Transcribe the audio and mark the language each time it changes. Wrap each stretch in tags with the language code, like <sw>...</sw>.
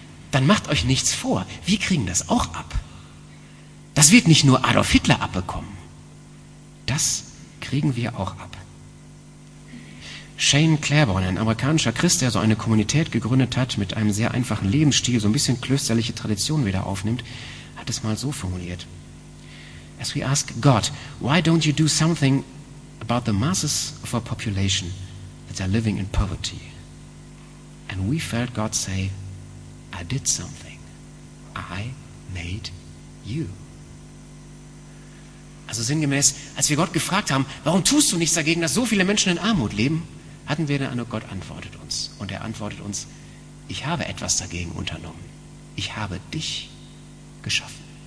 <de>Dann macht euch nichts vor. Wir kriegen das auch ab. Das wird nicht nur Adolf Hitler abbekommen. Das kriegen wir auch ab. Shane Claiborne, ein amerikanischer Christ, der so eine Kommunität gegründet hat, mit einem sehr einfachen Lebensstil, so ein bisschen klösterliche Tradition wieder aufnimmt, hat es mal so formuliert.</de> <en>As we ask God, why don't you do something about the masses of our population that are living in poverty? And we felt God say, I did something. I made you.</en> <de>Also sinngemäß, als wir Gott gefragt haben, warum tust du nichts dagegen, dass so viele Menschen in Armut leben? Hatten wir dann, Gott antwortet uns. Und er antwortet uns, ich habe etwas dagegen unternommen. Ich habe dich geschaffen.</de>